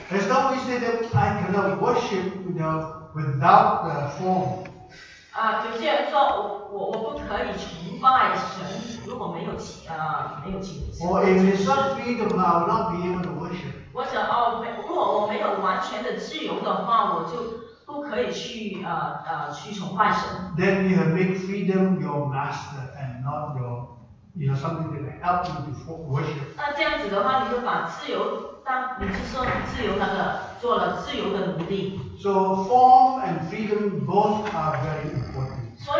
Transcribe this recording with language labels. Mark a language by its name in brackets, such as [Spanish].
[English] As long as we say that I cannot worship, you know, without the form. [Chinese] 就是说我不可以崇拜神，如果没有情。 [English] Or if it's not freedom, I will not be able to worship. [Chinese] 如果我没有完全的自由的话，我就不可以去崇拜神。 [English] Then you have made freedom your master and not your. You know, something that will help you to worship. [Chinese] 那这样子的话，你就把自由当，你就说自由那个做了自由的奴隶。 [English] So form and freedom both are very important.